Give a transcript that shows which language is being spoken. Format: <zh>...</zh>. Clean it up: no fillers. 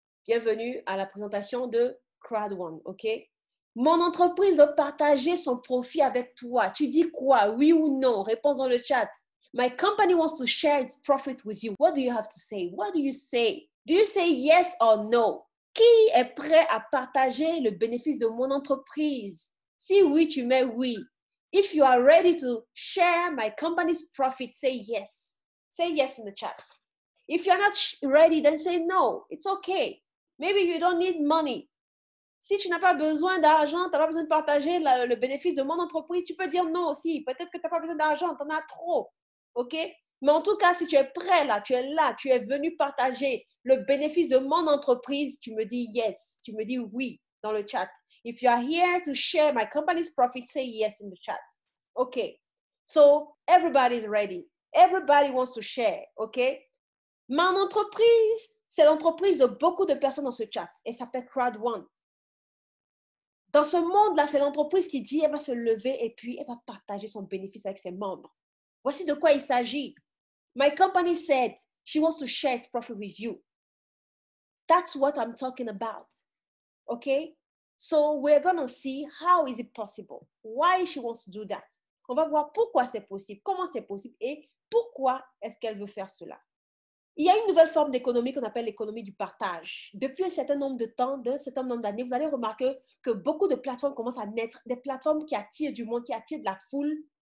<fr>Bienvenue à la présentation de Crowd One, OK? Mon entreprise veut partager son profit avec toi. Tu dis quoi? Oui ou non? Réponds dans le chat.</fr> <en>My company wants to share its profit with you. What do you have to say? What do you say? Do you say yes or no?</en> <fr>Qui est prêt à partager le bénéfice de mon entreprise? Si oui, tu mets oui.</fr> <en>If you are ready to share my company's profit, say yes. Say yes in the chat. If you're not ready, then say no. It's okay. Maybe you don't need money.</en> <fr>Si tu n'as pas besoin d'argent, tu n'as pas besoin de partager le bénéfice de mon entreprise, tu peux dire non aussi. Peut-être que tu n'as pas besoin d'argent, tu en as trop. OK? Mais en tout cas, si tu es prêt là, tu es là, tu es venu partager le bénéfice de mon entreprise, tu me dis yes. Tu me dis oui dans le chat.</fr> <en>If you are here to share my company's profit, say yes in the chat. OK. So, everybody's ready. Everybody wants to share, OK?</en> <fr>Mon entreprise, c'est l'entreprise de beaucoup de personnes dans ce chat. Elle s'appelle Crowd One. Dans ce monde-là, c'est l'entreprise qui dit, elle va se lever et puis elle va partager son bénéfice avec ses membres. Voici de quoi il s'agit.</fr> <en>My company said she wants to share its profit with you. That's what I'm talking about, OK? So we're going to see how is it possible. Why she wants to do that.</en> <fr>On va voir pourquoi c'est possible, comment c'est possible et pourquoi est-ce qu'elle veut faire cela? Il y a une nouvelle forme d'économie qu'on appelle l'économie du partage. Depuis un certain nombre de temps, d'un certain nombre d'années, vous allez remarquer que beaucoup de plateformes commencent à naître, des plateformes qui attirent du monde, qui attirent de la foule.</fr>